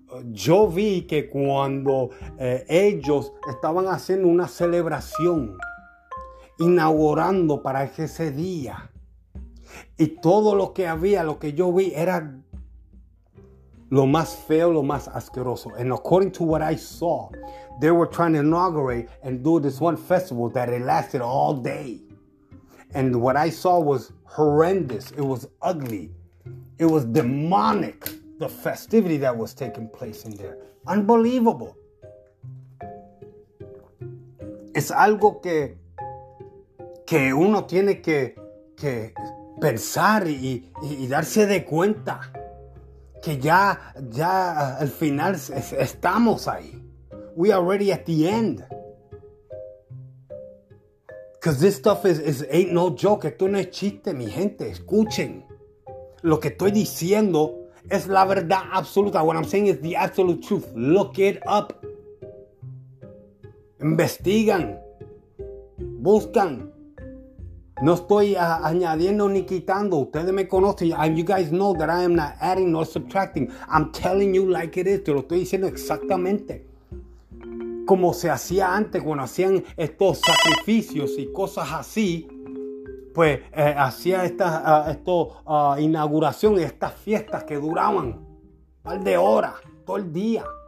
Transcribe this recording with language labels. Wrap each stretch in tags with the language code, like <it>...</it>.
<es>Yo vi que cuando ellos estaban haciendo una celebración inaugurando para ese día, y todo lo que había, lo que yo vi, era lo más feo, lo más asqueroso.</es> <en>And according to what I saw, they were trying to inaugurate and do this one festival that it lasted all day. And what I saw was horrendous. It was ugly. It was demonic, the festivity that was taking place in there. Unbelievable.</en> <es>Es algo que uno tiene que pensar y darse de cuenta que ya al final estamos ahí.</es> <en>We are already at the end. Because this stuff is ain't no joke.</en> <es>Esto no es chiste, mi gente. Escuchen. Lo que estoy diciendo es la verdad absoluta.</es> <en>What I'm saying is the absolute truth. Look it up.</en> <es>Investigan. Buscan. No estoy añadiendo ni quitando. Ustedes me conocen.</es> <en>And you guys know that I am not adding nor subtracting. I'm telling you like it is.</en> <es>Te lo estoy diciendo exactamente. Como se hacía antes cuando hacían estos sacrificios y cosas así. Pues hacía esta inauguración, estas fiestas que duraban un par de horas, todo el día.</es>